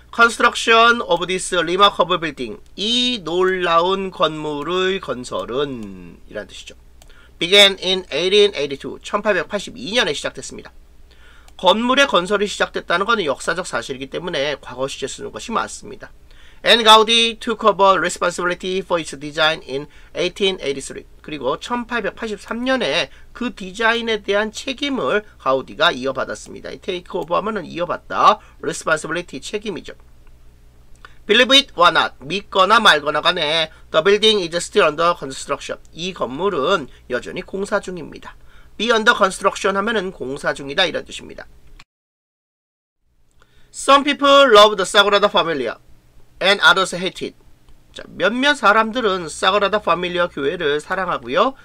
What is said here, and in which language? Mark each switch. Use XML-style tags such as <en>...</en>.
<en>컨스트럭션 오브 디스 리마커블 빌딩.</en> <ko>이 놀라운 건물의 건설은 이란 뜻이죠.</ko> <en>began in 1882,</en> <ko>1882년에 시작됐습니다. 건물의 건설이 시작됐다는 것은 역사적 사실이기 때문에 과거 시제 쓰는 것이 맞습니다.</ko> <en>And Gaudi took over responsibility for its design in 1883.</en> <ko>그리고 1883년에 그 디자인에 대한 책임을 가우디가 이어받았습니다. Take over 하면 이어받다. Responsibility 책임이죠.</ko> <en>Believe it or not.</en> <ko>믿거나 말거나 간에</ko> <en>The building is still under construction.</en> <ko>이 건물은 여전히 공사 중입니다.</ko> <en>Be under construction</en> <ko>하면 공사 중이다 이런 뜻입니다.</ko> <en>Some people love the Sagrada Familia. And others hate it.</en> <ko>자, 몇몇 사람들은 사그라다 파밀리아 교회를 사랑하고요.</ko>